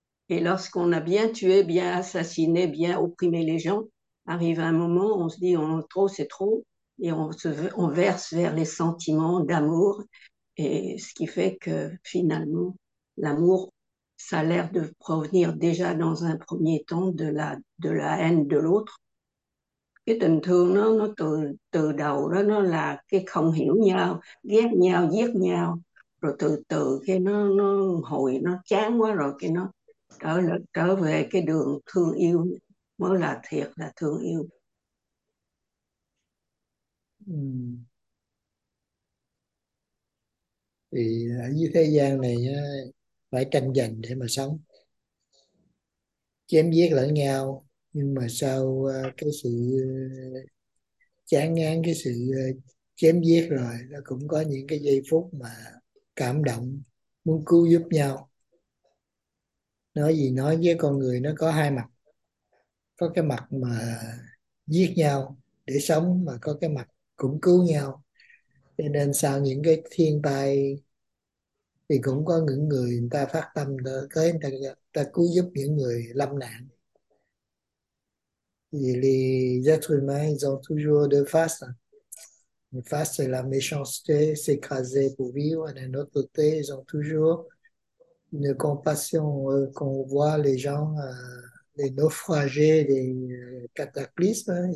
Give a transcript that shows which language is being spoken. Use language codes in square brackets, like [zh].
[fr] Et lorsqu'on a bien tué, bien assassiné, bien opprimé les gens, arrive un moment où on se dit on en a trop, c'est trop, et on verse vers les sentiments d'amour, et ce qui fait que finalement l'amour, ça a l'air de provenir déjà dans un premier temps de la haine de l'autre. [vi] Et tình thương nó từ đầu đó nó là cái không hiểu nhau, ghét nhau, giết nhau, rồi từ từ cái nó hồi nó chán quá rồi cái nó trở về cái đường thương yêu mới là thiệt là thương yêu. Thì ở dưới thế gian này nhá, phải tranh giành để mà sống, chém giết lẫn nhau, nhưng mà sau cái sự chán ngán cái sự chém giết rồi, nó cũng có những cái giây phút mà cảm động muốn cứu giúp nhau. Nói gì nói với con người nó có hai mặt, có cái mặt mà giết nhau để sống mà có cái mặt cũng cứu nhau. Cho nên sau những cái thiên tai thì cũng có những người người ta phát tâm tới ta cứu giúp những người lâm nạn. [fr] Les êtres humains, ils ont toujours deux faces. Une face, c'est la méchanceté, s'écraser pour vivre. Et d'un autre côté, ils ont toujours une compassion qu'on voit les gens, les naufragés, les cataclysmes.